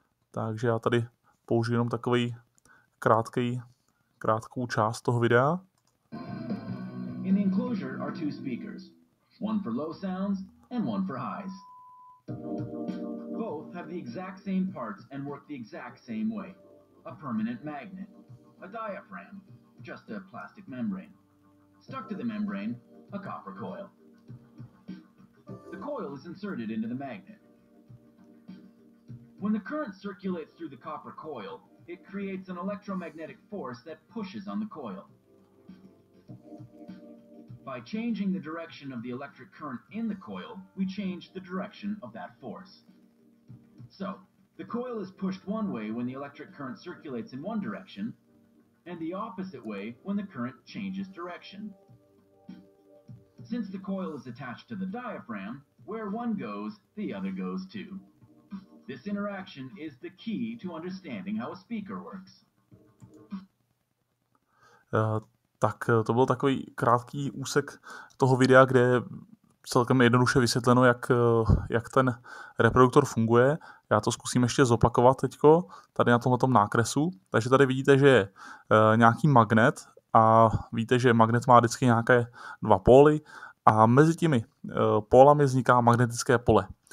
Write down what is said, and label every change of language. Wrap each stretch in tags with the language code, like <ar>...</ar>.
<cs>Takže já tady použiju jenom takový krátkou část toho videa.</cs> <en>In the enclosure are two speakers, one for low sounds and one for highs. Both have the exact same parts and work the exact same way. A permanent magnet, a diaphragm, just a plastic membrane. Stuck to the membrane, a copper coil. The coil is inserted into the magnet. When the current circulates through the copper coil, it creates an electromagnetic force that pushes on the coil. By changing the direction of the electric current in the coil, we change the direction of that force. So, the coil is pushed one way when the electric current circulates in one direction, and the opposite way when the current changes direction. Since the coil is attached to the diaphragm, where one goes, the other goes too. This interaction is the key to understanding how a speaker works.</en> <cs>Tak to byl takový krátký úsek toho videa, kde je celkem jednoduše vysvětleno, jak ten reproduktor funguje. Já to zkusím ještě zopakovat teďko, tady na tomhletom nákresu. Takže tady vidíte, že je nějaký magnet a víte, že magnet má vždycky nějaké dva póly a mezi těmi pólami vzniká magnetické pole.</cs>